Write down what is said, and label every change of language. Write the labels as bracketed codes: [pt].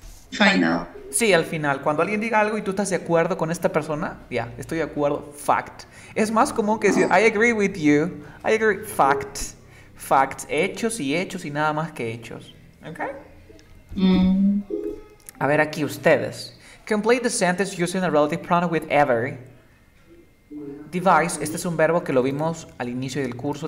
[es] Final. Sí, al final. Cuando alguien diga algo y tú estás de acuerdo con esta persona, ya, yeah, estoy de acuerdo. Fact. Es más común que decir, [en] I agree with you. I agree. Fact. Fact. [es] Hechos y hechos y nada más que hechos. ¿Ok? A ver aquí ustedes. [en] Complete the sentence using a relative pronoun with ever. Device. [es] Este es un verbo que lo vimos al inicio del curso.